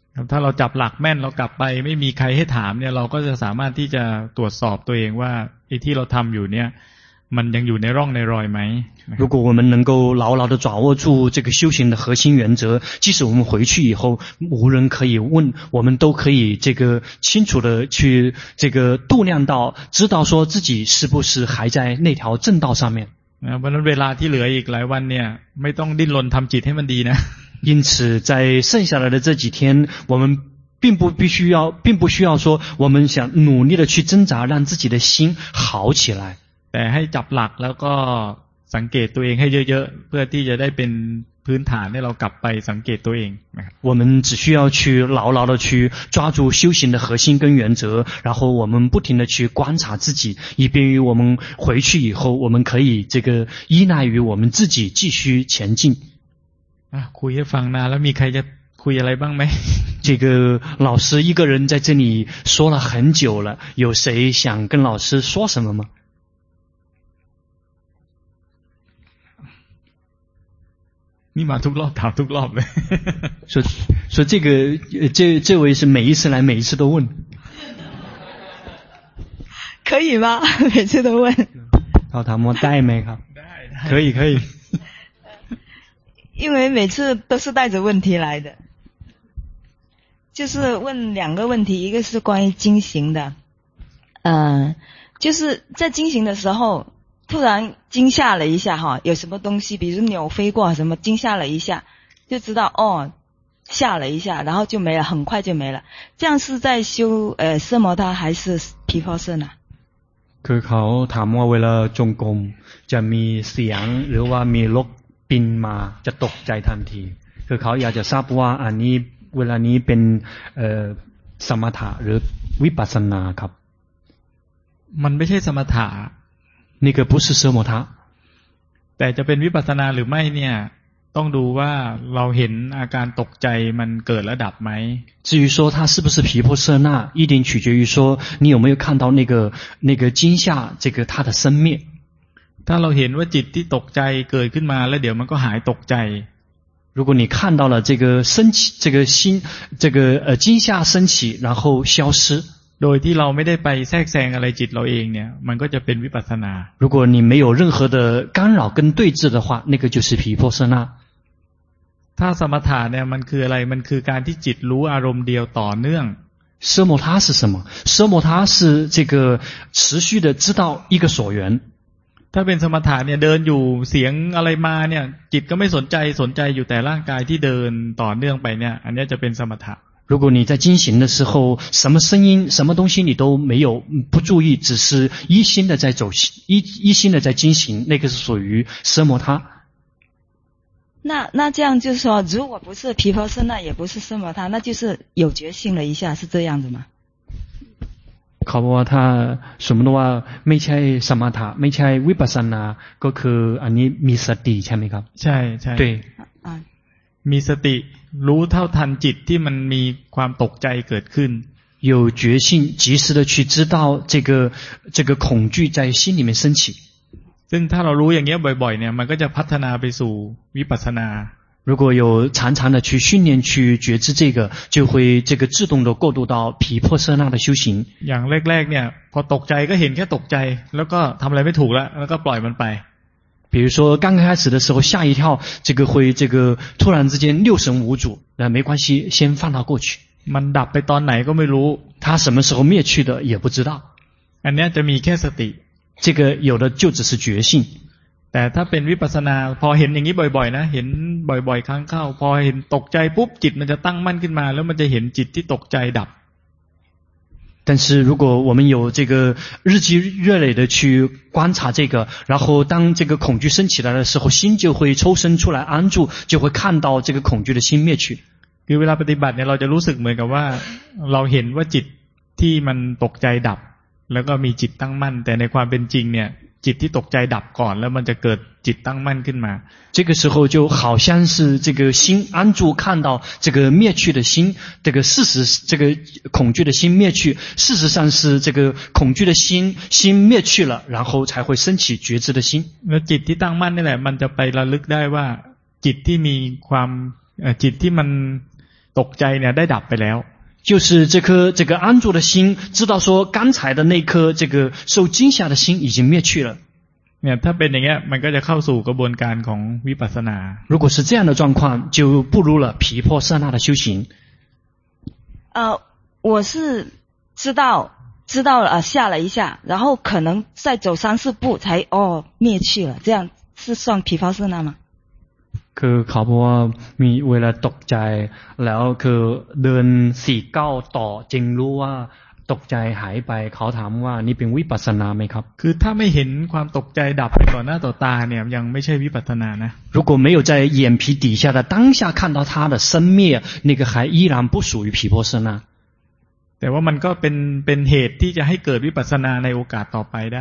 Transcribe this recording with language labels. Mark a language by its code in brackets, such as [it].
[th] ถ้าเราจับหลักแม่นเรากลับไปไม่มีใครให้ถามเนี่ยเราก็จะสามารถที่จะตรวจสอบตัวเองว่าไอ้ที่เราทำอยู่เนี่ยมันยังอยู่ในร่องในรอยไหม [zh] 如果我们能够牢牢地掌握住这个修行的核心原则即使我们回去以后无人可以问我们都可以这个清楚地去这个度量到知道说自己是不是还在那条正道上面 [th] เพราะนั้นเวลาที่เหลืออีกหลายวันเนี่ยไม่ต้องดิ้นรนทำจิตให้มันดีนะ [zh] 因此在剩下来的这几天我们并不需要说我们想努力的去挣扎让自己的心好起来 [th] แต่ให้จับหลักแล้วก็สังเกตตัวเองให้เยอะๆเพื่อที่จะได้เป็นพื้นฐานให้เรากลับไปสังเกตตัวเองนะครั [zh] บ我们只需要去牢牢的去抓住修行的核心跟原则然后我们不停的去观察自己以便于我们回去以后我们可以这个依赖于我们自己继续前进 [th] คุยให้ฟังนานแล้วมีใครจะคุยอะไรบ้างไหม [zh] 这个老师一个人在这里说了很久了有谁想跟老师说什么吗 [th] นี่มาทุกรอบถามทุกรอบเลย [zh] 说这个这位是每一次来每一次都问可以吗每次都问老师带 [th] ได้ไหมครับ [zh] 可以因为每次都是带着问题来的就是问两个问题一个是关于惊醒的就是在惊醒的时候突然惊吓了一下有什么东西比如鸟飞过什么惊吓了一下就知道哦吓了一下然后就没了很快就没了这样是在修色摩他还是毗婆舍呢可是考他们为了中共 [th] จะมีเสียงหรือว่ามีลกบินมาจะตกใจทันทีคือเขาอยากจะทราบว่าอันนี้เวลานี้เป็นสมถะหรือ วิปัสสนาครับ มันไม่ใช่สมถะ นี่ก็ [zh] 不是 [th] สมถะ แต่จะเป็นวิปัสสนาหรือไม่เนี่ยต้องดูว่าเราเห็นอาการตกใจมันเกิดและดับไหม [zh] 至于说它是不是皮破色那一定取决于说你有没有看到那个惊吓这个它的生灭 [th] ถ้าเราเห็นว่าจิตที่ตกใจเกิดขึ้นมาแล้วเดี๋ยวมันก็หายตกใจ [zh] 如果你看到了这个升起这个心这个惊吓升起然后消失 [th] โดยที่เราไม่ได้ไปแทรกแซงอะไรจิตเราเองเนี่ยมันก็จะเป็นวิปัสสนา [zh] 如果你没有任何的干扰跟对峙的话那个就是皮破色那 [th] ถ้าสมถะเนี่ยมันคืออะไรมันคือการที่จิตรู้อารมณ์เดียวต่อเนื่อง [zh] 奢摩他是什么奢摩他是这个持续的知道一个所缘 [th] ถ้าเป็นสมถะเนี่ยเดินอยู่เสียงอะไรมาเนี่ยจิตก็ไม่สนใจสนใจอยู่แต่ร่างกายที่เดินต่อเนื่องไปเนี่ยอันนี้จะเป็นสมถะ [zh] 如果你在进行的时候什么声音什么东西你都没有不注意只是一心的在走一心的在进行那个是属于奢摩他那这样就是说如果不是皮婆舍那也不是奢摩他那就是有觉性了一下是这样的吗 [th] ครับว่าถ้าสมมติว่าไม่ใช่สมถะไม่ใช่วิปัสสนาก็คืออันนี้มีสติใช่ไหมครับ ใช่ใช่ [zh] 对 [th] มีสติรู้เท่าทันจิตที่มันมีความตกใจเกิดขึ้น [zh] 有觉性及时的去知道这个恐惧在心里面升起 [th] ซึ่งถ้าเรารู้อย่างเงี้ยบ่อยๆเนี่ยมันก็จะพัฒนาไปสู่วิปัสสนา [zh] 如果有常常的去训练去觉知这个就会这个自动的过渡到皮破色那的修行 [th] อย่างแรกๆเนี่ยพอตกใจก็เห็นแค่ตกใจแล้วก็ทำอะไรไม่ถูกแล้วก็ปล่อยมันไป [zh] 比如说刚开始的时候吓一跳这个会这个突然之间六神无主那没关系先放它过去 [th] มันดับไปตอนไหนก็ไม่รู้ [zh] 它什么时候灭去的也不知道 [th] อันนี้จะมีแค่สติ [zh] 这个有的就只是觉性 [th] แต่ถ้าเป็นวิปัสสนาพอเห็นอย่างนี้บ่อยๆนะเห็นบ่อยๆครั้งเข้าพอเห็นตกใจปุ๊บจิตมันจะตั้งมั่นขึ้นมาแล้วมันจะเห็นจิตที่ตกใจดับ [zh] 但是如果我们有这个日积月累的去观察这个然后当这个恐惧升起来的时候心就会抽身出来安住就会看到这个恐惧的心灭去 [th] คือเวลาปฏิบัติเนี่ยเราจะรู้สึกเหมือนกับว่าเราเห็นว่าจิตที่มันตกใจดับแล้วก็มีจิตตั้งมั่นแต่ในความเป็นจริงเนี่ยจิตที่ตกใจดับก่อนแล้วมันจะเกิดจิตตั้งมั่นขึ้นมา [zh] 这个时候就好像是这个心安住看到这个灭去的心这个事实这个恐惧的心灭去事实上是这个恐惧的心灭去了然后才会升起觉知的心 [th] 那จิตที่ตั้งมั่นนี่แหละมันจะไประลึกได้ว่าจิตที่มีความจิตที่มันตกใจเนี่ยได้ดับไปแล้ว [zh] 就是这个安住的心知道说刚才的那颗这个受惊吓的心已经灭去了 [th] เนี่ยถ้าเป็นอย่างเงี้ยมันก็จะเข้าสู่กระบวนการของวิปัสสนา [zh] 如果是这样的状况就步入了皮破色那的修行我是知道了吓了一下然后可能再走三四步才哦灭去了这样是算皮破色那吗 [th] คือเขาบอกว่ามีเวลาตกใจแล้วคือเดินสี่ก้าวต่อจึงรู้ว่าตกใจหายไปเขาถามว่านี่เป็นวิปัสสนาไหมครับ คือถ้าไม่เห็นความตกใจดับไปต่อหน้าต่อตาเนี่ยยังไม่ใช่วิปัสสนานะ [zh] 如果没有在眼皮底下的当下看到它的生灭那个还依然不属于皮婆舍那 [th] แต่ว่ามันก็เป็นเหตุที่จะให้เกิดวิปัสสนาในโอกาสต่อไปได